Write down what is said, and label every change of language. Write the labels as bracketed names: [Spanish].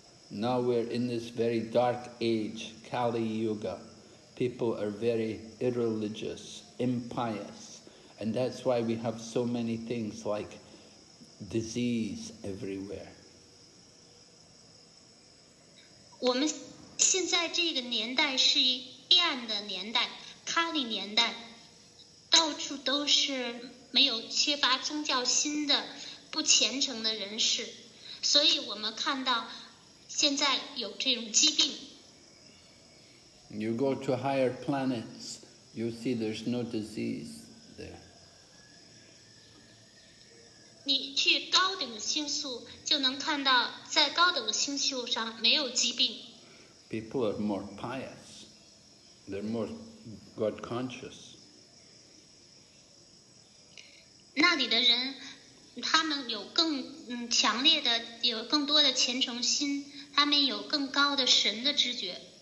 [English] Now we're in this very dark age, Kali Yuga. People are very irreligious, impious, and that's why we have so many things like disease everywhere. [Chinese] 我们现在这个年代是黑暗的年代，卡里年代，到处都是没有缺乏宗教心的不虔诚的人士，所以我们看到现在有这种疾病。 [English] You go to higher planets, you see there's no disease there. [Chinese] 你去高等的星宿，就能看到在高等的星宿上没有疾病。 [English] People are more pious. They're more God conscious. [Chinese] 那里的人，他们有更强烈的，有更多的虔诚心，他们有更高的神的知觉。